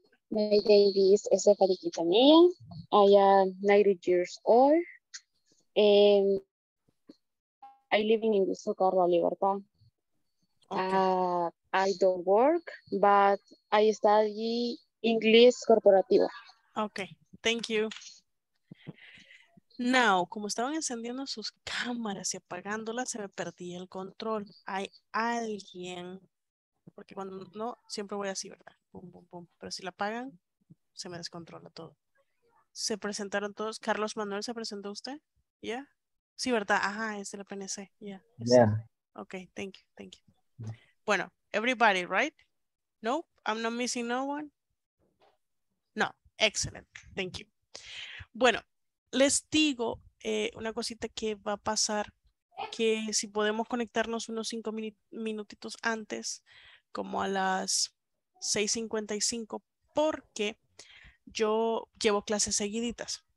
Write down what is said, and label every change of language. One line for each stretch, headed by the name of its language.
English: My name is Stephanie Quintanilla. I am 90 years old. I live in Industrial Carla Libertad. Okay. I don't work, but I study English Corporativa. Okay, thank you.
Spanish: Now, como estaban encendiendo sus cámaras y apagándolas, se me perdía el control. Hay alguien, porque cuando no, siempre voy así, ¿verdad? Pum, pum, pum. Pero si la apagan, se me descontrola todo. ¿Se presentaron todos? ¿Carlos Manuel se presentó usted? ¿Ya?
English: Yeah.
Spanish: Sí, ¿verdad? Ajá, es de la PNC. Ya.
English: Yeah, yeah. Ok, thank you, thank you.
Spanish: Bueno,
English: everybody, right? Nope, I'm not missing no one. Excellent. Thank you.
Spanish: Bueno, les digo una cosita que va a pasar, que si podemos conectarnos unos 5 minutitos antes, como a las 6:55, porque yo llevo clases seguiditas.